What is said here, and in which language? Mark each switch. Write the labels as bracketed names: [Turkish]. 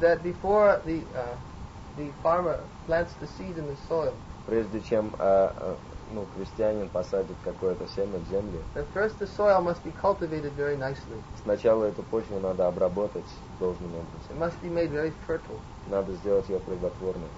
[English] That before the farmer plants the seed in the soil. [Russian] Прежде чем крестьянин посадит какое-то семя в земле. [English] But first the soil must be cultivated very nicely. [Russian] Сначала эту почву надо обработать должным образом. [English] It must be made very fertile. [Russian] Надо сделать ее плодотворной.